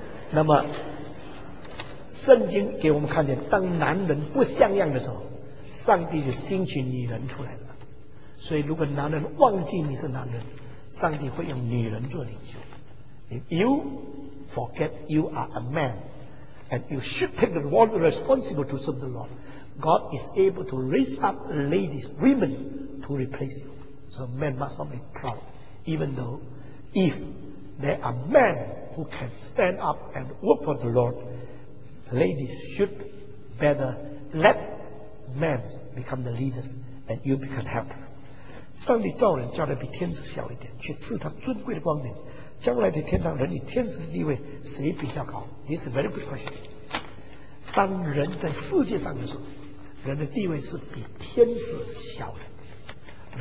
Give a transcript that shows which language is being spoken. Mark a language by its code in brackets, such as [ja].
[zh] 那么，圣经给我们看见，当男人不像样的时候，上帝的兴起女人出来了。所以如果男人忘记你是男人，上帝会用女人做领袖。 [en] If you forget you are a man and you should take the role responsible to serve the Lord, God is able to raise up ladies, women to replace you. So men must not be proud, even though if there are men who can stand up and work for the Lord, ladies should better let men become the leaders and you can help them. [zh] 上帝造人叫他比天使小一点，却赐他尊贵的光明。将来的天堂，人与天使的地位谁比较高？ [en] It's a very good question. [zh] 当人在世界上的时候，人的地位是比天使小的。